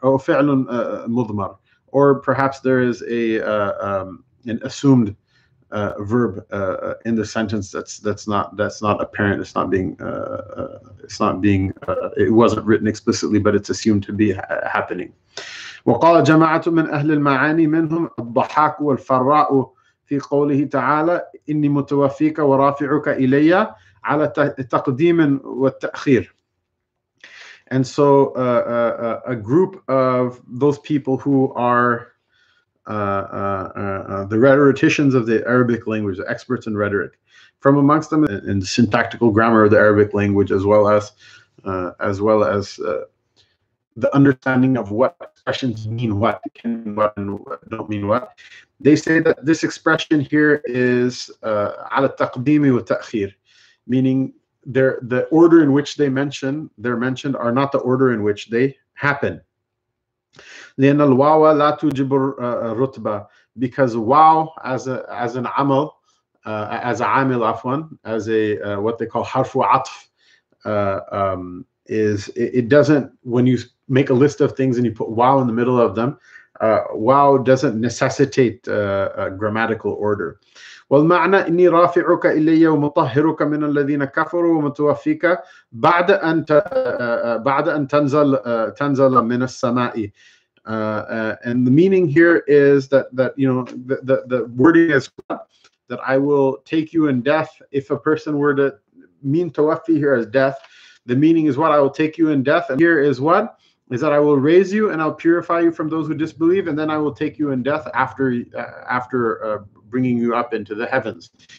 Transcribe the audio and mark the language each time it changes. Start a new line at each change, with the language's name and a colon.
English: Oh,
Arabic: fi'lun mudhmar.
English: Or perhaps there is an assumed verb in the sentence that's not apparent. It's not being it wasn't written explicitly, but it's assumed to be happening.
Arabic: وقال جماعة من أهل المعاني منهم الضحاك والفراء في قوله تعالى إني متوفيك ورافعك إلي على تقديم والتأخير.
English: And so a group of those people who are the rhetoricians of the Arabic language, the experts in rhetoric, from amongst them in the syntactical grammar of the Arabic language, the understanding of what expressions mean what, can mean what, and what don't mean what. They say that this expression here is
Arabic: على التقديم والتأخير,
English: meaning the order in which they're mentioned are not the order in which they happen.
Arabic: لأن الواو لا تجيب الرتبة,
English: because واو as a what they call حرف عطف, is it doesn't, when you make a list of things and you put wow in the middle of them, wow doesn't necessitate a grammatical order. Well,
Arabic: معنى إني رافعك إلي ومطهرك من الذين كفروا ومتوفيك بعد أن تنزل من السماء.
English: And the meaning here is that you know, the wording is that I will take you in death. If a person were to mean tawafi here as death, the meaning is what? I will take you in death. And here is what? Is that I will raise you and I'll purify you from those who disbelieve, and then I will take you in death after bringing you up into the heavens.